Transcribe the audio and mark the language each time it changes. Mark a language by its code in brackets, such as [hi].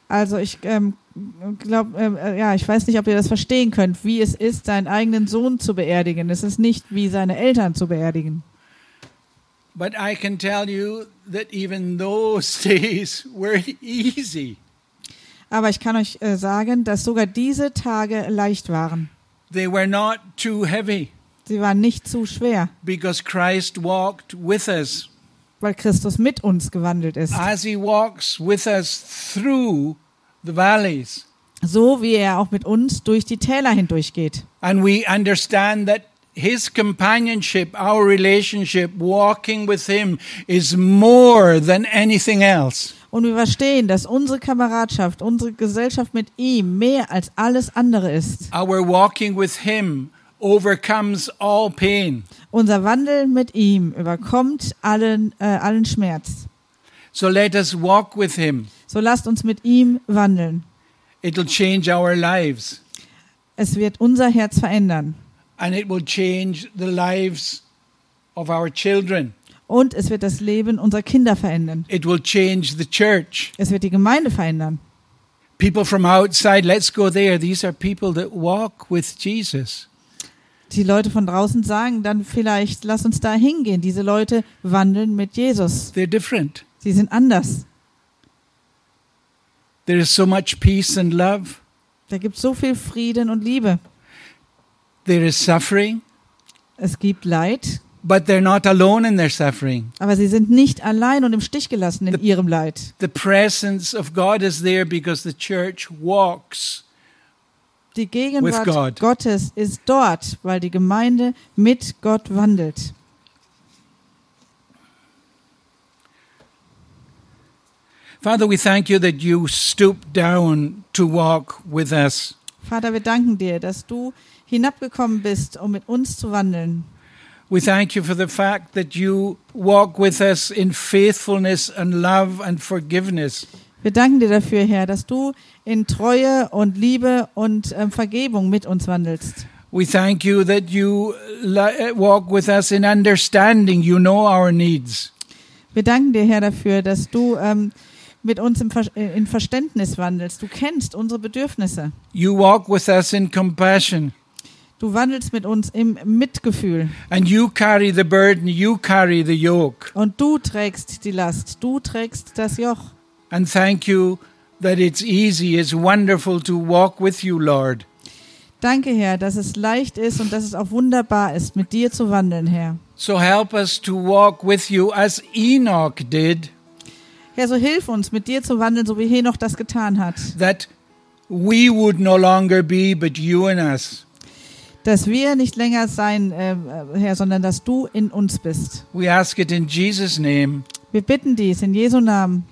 [de] Also ich glaube, ja, ich weiß nicht, ob ihr das verstehen könnt, wie es ist, seinen eigenen Sohn zu beerdigen. Es ist nicht wie seine Eltern zu beerdigen. [en] But I can tell you that even those days were easy. [de] Aber ich kann euch sagen, dass sogar diese Tage leicht waren. [en] They were not too heavy. [de] Sie waren nicht zu schwer. [en] Because Christ walked with us. [de] Weil Christus mit uns gewandelt ist. [en] As he walks with us through the valleys. [de] So wie er auch mit uns durch die Täler hindurchgeht. [en] And we understand that his companionship, our relationship, walking with him is more than anything else. [de] Und wir verstehen, dass unsere Kameradschaft, unsere Gesellschaft mit ihm mehr als alles andere ist. [en] Our walking with him overcomes all pain. [de] Unser Wandel mit ihm überkommt allen Schmerz. [en] So let us walk with him. [de] So lasst uns mit ihm wandeln. [en] It'll change our lives. [de] Es wird unser Herz verändern. [en] And it will change the lives of our children. [de] Und es wird das Leben unserer Kinder verändern. [en] It will change the church. [de] Es wird die Gemeinde verändern. [en] People from outside, let's go there. These are people that walk with Jesus. [de] Die Leute von draußen sagen dann vielleicht, lass uns da hingehen. Diese Leute wandeln mit Jesus. [en] They're different. [de] Sie sind anders. [en] There is so much peace and love. [de] Da gibt es so viel Frieden und Liebe. [en] There is suffering. [de] Es gibt Leid. [en] But they're not alone in their suffering. [de] Aber sie sind nicht allein und im Stich gelassen in ihrem Leid. [en] The presence of God is there because the church walks. [de] Die Gegenwart Gottes ist dort, weil die Gemeinde mit Gott wandelt. [en] Father, we thank you that you stooped down to walk with us. [de] Vater, wir danken dir, dass du hinabgekommen bist, um mit uns zu wandeln. [en] We thank you for the fact that you walk with us in faithfulness and love and forgiveness. [de] Wir danken dir dafür, Herr, dass du in Treue und Liebe und Vergebung mit uns wandelst. [en] We thank you that you walk with us in understanding. You know our needs. [de] Wir danken dir, Herr, dafür, dass du mit uns in Verständnis wandelst. Du kennst unsere Bedürfnisse. [en] You walk with us in compassion. [de] Du wandelst mit uns im Mitgefühl. [en] And you carry the burden, you carry the yoke. [de] Und du trägst die Last, du trägst das Joch. [en] And thank you that it's easy, it's wonderful to walk with you, Lord. [de] Danke, Herr, dass es leicht ist und dass es auch wunderbar ist, mit dir zu wandeln, Herr. [en] So help us to walk with you as Enoch did. [de] Herr, so hilf uns, mit dir zu wandeln, so wie Henoch das getan hat. [en] That we would no longer be, but you and us. [de] Dass wir nicht länger sein, Herr, sondern dass du in uns bist. [en] We ask it in Jesus' name. [de] Wir bitten dies in Jesu Namen.